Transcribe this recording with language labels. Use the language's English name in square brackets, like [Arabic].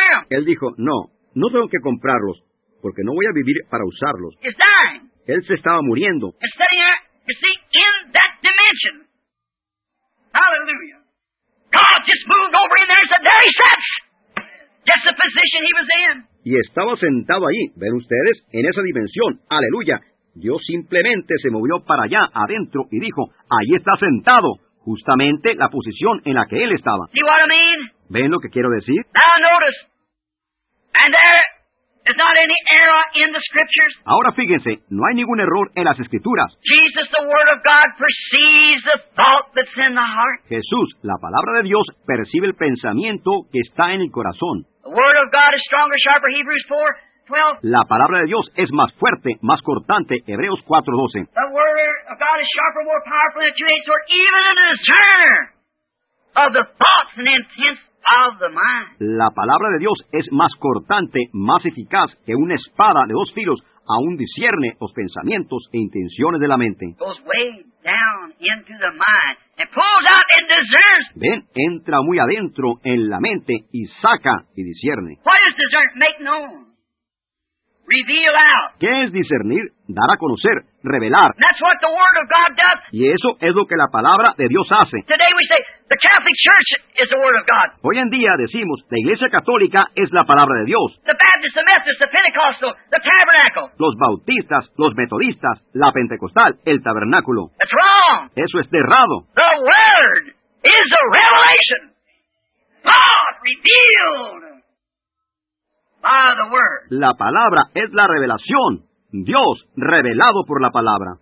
[Spanish] Él dijo, no, no tengo que comprarlos, porque no voy a vivir para usarlos. [English] He's dying. [Spanish] Él se estaba muriendo. [English] He's sitting there, you see, in that dimension. Hallelujah. God just moved over in there and said, there he sits. That's the position he was in. [Spanish] Y estaba sentado allí, ven ustedes, en esa dimensión, aleluya. Dios simplemente se movió para allá, adentro, y dijo, ahí está sentado, justamente la posición en la que él estaba. [English] See what I mean? [Spanish] ¿Ven lo que quiero decir? [English] Now notice, and there is not any error in the scriptures. [Spanish] Ahora fíjense, no hay ningún error en las Escrituras. [English] Jesus, the word of God, perceives the thought that's in the heart. [Spanish] Jesús, la palabra de Dios, percibe el pensamiento que está en el corazón. [English] The word of God is stronger, sharper, Hebrews 4:12. [Spanish] La palabra de Dios es más fuerte, más cortante, Hebreos 4:12. [English] The word of God is sharper, more powerful than a two-edged sword, even a discerner of the thoughts and intents of the mind. [Spanish] La palabra de Dios es más cortante, más eficaz que una espada de dos filos, aún discierne los pensamientos e intenciones de la mente. [English] Goes way down into the mind and pulls out and discerns. [Spanish] Ven, entra muy adentro en la mente y saca y discierne. [English] What is discern? Make known. Reveal out. [Spanish] ¿Qué es discernir? Dar a conocer, revelar. [English] And that's what the word of God does. [Spanish] Y eso es lo que la palabra de Dios hace. [English] Today we say the Catholic Church is the word of God. [Spanish] Hoy en día decimos la Iglesia Católica es la palabra de Dios. [English] The Baptist, the Methodist, the Pentecostal, the Tabernacle. [Spanish] Los bautistas, los metodistas, la pentecostal, el tabernáculo. [English] That's wrong. [Spanish] Eso es errado. [English] The word is a revelation. God revealed. [Spanish] La palabra es la revelación. Dios revelado por la palabra.